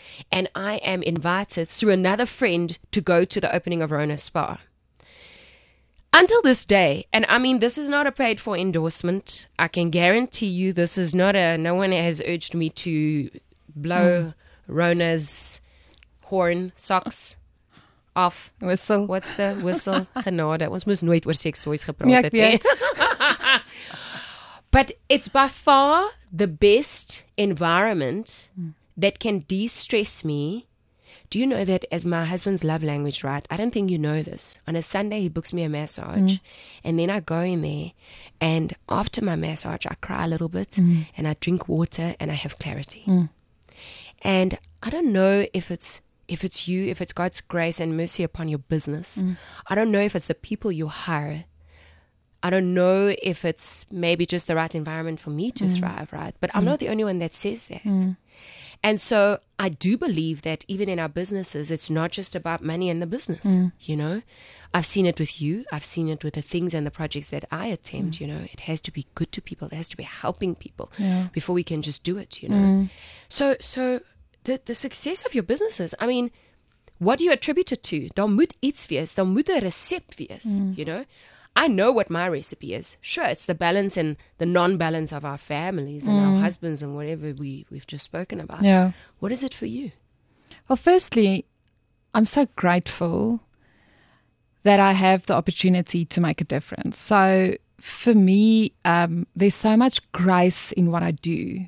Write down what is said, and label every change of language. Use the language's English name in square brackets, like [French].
[English] And I am invited through another friend to go to the opening of Rhona's spa. Until this day, and I mean, this is not a paid for endorsement. I can guarantee you this is not no one has urged me to blow Rhona's horn socks off. Whistle. What's the whistle? Genade. [Afrikaans] Ons moes nooit oor sex toys gepraat het. Nee, ek weet. [English] But it's by far the best environment that can de-stress me Do you know that as my husband's love language, right? I don't think you know this. On a Sunday, he books me a massage. Mm. And then I go in there. And after my massage, I cry a little bit. Mm. And I drink water and I have clarity. Mm. And I don't know if it's you, if it's God's grace and mercy upon your business. Mm. I don't know if it's the people you hire. I don't know if it's maybe just the right environment for me to thrive, right? But I'm not the only one that says that. Mm. And so I do believe that even in our businesses, it's not just about money and the business, you know? I've seen it with you. I've seen it with the things and the projects that I attempt, you know? It has to be good to people. It has to be helping people before we can just do it, you know? Mm. So the success of your businesses, I mean, what do you attribute it to? [Afrikaans] Daar moet iets wees. Daar moet 'n resep wees, [English] you know? I know what my recipe is. Sure, it's the balance and the non-balance of our families and our husbands and whatever we've just spoken about. Yeah. What is it for you? Well, firstly, I'm so grateful that I have the opportunity to make a difference. So for me, there's so much grace in what I do.